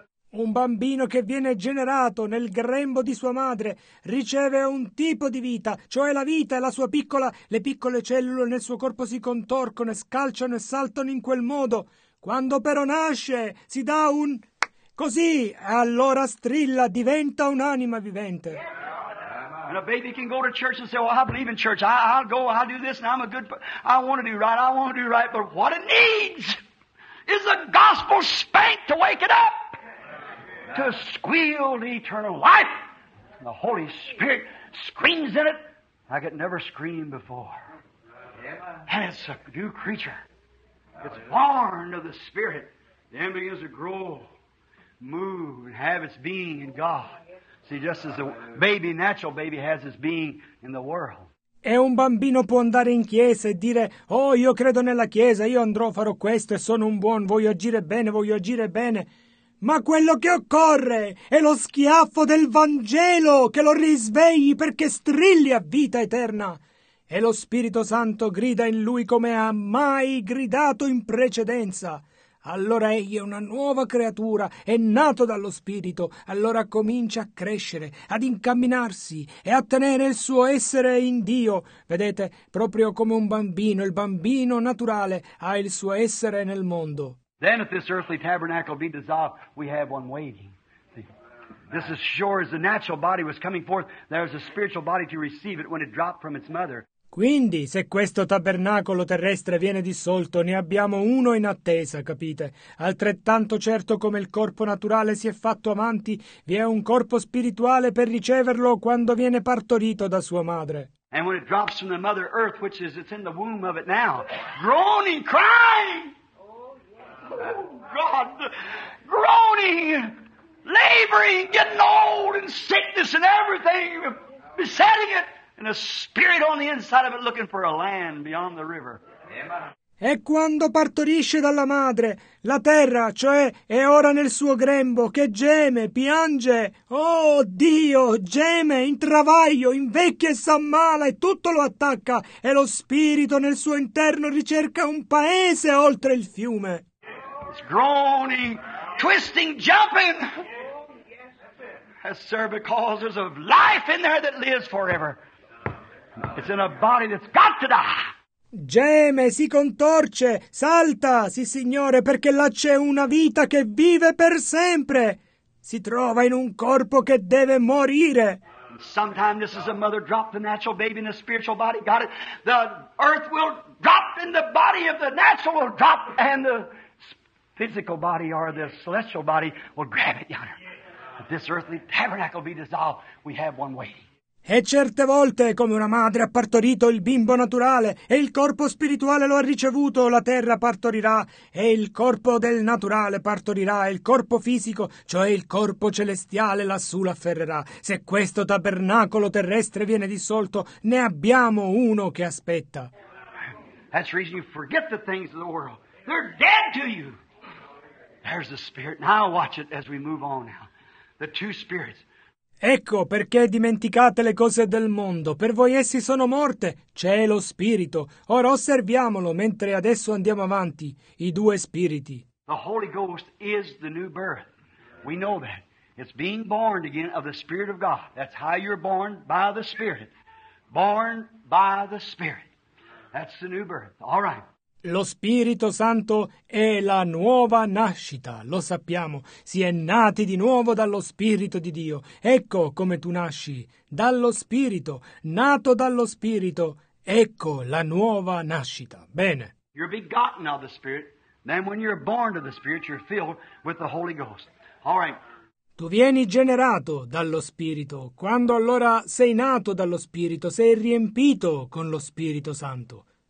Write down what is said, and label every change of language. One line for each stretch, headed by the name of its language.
Italian: Un bambino che viene generato nel grembo di sua madre riceve un tipo di vita, cioè la vita e la sua piccola, le piccole cellule nel suo corpo si contorcono e scalciano e saltano in quel modo. Quando però nasce, si dà un... così, allora strilla, diventa un'anima vivente.
English: And a baby can go to church and say, well, I believe in church, I'll go, I'll do this, and I'm a good... I want to do right, but what it needs... is a gospel spank to wake it up, to squeal the eternal life. And the Holy Spirit screams in it like it never screamed before. And it's a new creature. It's born of the Spirit. Then begins to grow, move, and have its being in God. See, just as the baby, natural baby, has its being in the world.
Italian: E un bambino può andare in chiesa e dire, oh, io credo nella chiesa, io andrò, farò questo e sono un buon, voglio agire bene. Ma quello che occorre è lo schiaffo del Vangelo che lo risvegli perché strilli a vita eterna. E lo Spirito Santo grida in lui come ha mai gridato in precedenza. Allora egli è una nuova creatura, è nato dallo Spirito, allora comincia a crescere, ad incamminarsi e a tenere il suo essere in Dio. Vedete, proprio come un bambino, il bambino naturale ha il suo essere nel mondo.
English: Then if this earthly tabernacle be dissolved, we have one waiting. See, this is sure as the natural body was coming forth, there is a spiritual body to receive it when it dropped from its mother.
Italian: Quindi, se questo tabernacolo terrestre viene dissolto, ne abbiamo uno in attesa, capite? Altrettanto certo come il corpo naturale si è fatto avanti, vi è un corpo spirituale per riceverlo quando viene partorito da sua madre.
English: And when it drops from the mother earth, which is it's in the womb of it now, groaning, crying, oh God, groaning, laboring, getting old, and sickness and everything besetting it. And a spirit on the inside of it looking for a land beyond the river.
Italian: E quando partorisce dalla madre, la terra, cioè, è ora nel suo grembo, che geme, piange. Oh Dio, geme, in travaglio, invecchia e s'ammala e tutto lo attacca. E lo spirito nel suo interno ricerca un paese oltre il fiume.
English: It's groaning, twisting, jumping. That's sir, because there's a life in there that lives forever. It's in a body that's got to die.
Italian: Geme, si contorce, salta, sì signore, perché là c'è una vita che vive per sempre. si trova in un corpo che deve morire.
English: Sometimes this is a mother drop the natural baby in the spiritual body. Got it? The earth will drop in the body of the natural will drop and the physical body or the celestial body will grab it, Yonder. This earthly tabernacle will be dissolved. We have one waiting.
Italian: E certe volte, come una madre ha partorito il bimbo naturale e il corpo spirituale lo ha ricevuto, la terra partorirà e il corpo del naturale partorirà e il corpo fisico, cioè il corpo celestiale, lassù l'afferrerà. Se questo tabernacolo terrestre viene dissolto, ne abbiamo uno che aspetta.
English: That's the reason you forget the things of the world. They're dead to you. There's the spirit. Now watch it as we move on now. The two spirits.
Italian: Ecco perché dimenticate le cose del mondo. Per voi essi sono morte. C'è lo spirito. Ora osserviamolo mentre adesso andiamo avanti. I due spiriti.
English: The Holy Ghost is the new birth. We know that. It's being born again of the Spirit of God. That's how you're born by the Spirit. Born by the Spirit. That's the new birth. All right.
Italian: Lo Spirito Santo è la nuova nascita, lo sappiamo. Si è nati di nuovo dallo Spirito di Dio. Ecco come tu nasci, dallo Spirito, nato dallo Spirito. Ecco la nuova nascita. Bene.
English: You're begotten of the Spirit. Then when you're born of the Spirit, you're filled with the Holy Ghost. All right.
Italian: Tu vieni generato dallo Spirito. Quando allora sei nato dallo Spirito, sei riempito con lo Spirito Santo.